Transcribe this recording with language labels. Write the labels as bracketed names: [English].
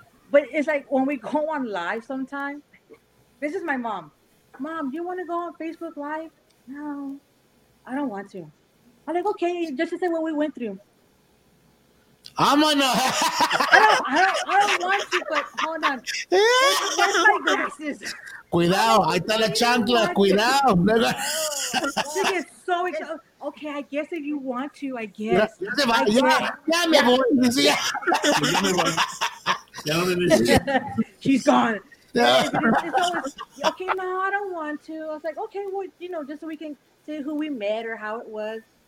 [English] But it's like when we go on live sometime, this is my mom. Mom, do you want to go on Facebook Live? No, I don't want to. I'm like, okay, just to say what we went through. I'm on a I don't want to, but hold on. Where's my glasses? [Spanish] Cuidado, ahí está la chancla, cuidado. [English] She gets so excited. Okay, I guess if you want to, I guess. [Spanish] Ya me voy. Ya me voy. [English] She's gone. Yeah. Okay, no, I don't want to. I was like, okay, well, you know, just so we can say who we met or how it was.